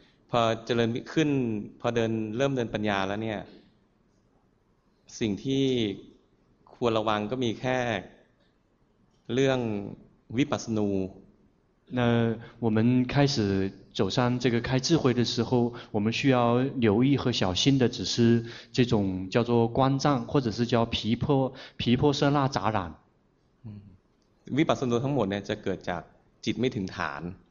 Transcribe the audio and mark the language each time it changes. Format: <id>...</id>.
<th>พอเจริญขึ้นพอเริ่มเดินปัญญาแล้วเนี่ยสิ่งที่ควรระวังก็มีแค่เรื่องวิปัสสนู</th> <zh>那我们开始走上这个开智慧的时候我们需要留意和小心的只是这种叫做观障或者是叫皮婆舍那杂染</zh> <th>วิปัสสนูทั้งหมดเนี่ยจะเกิดจากจิตไม่ถึงฐาน</th>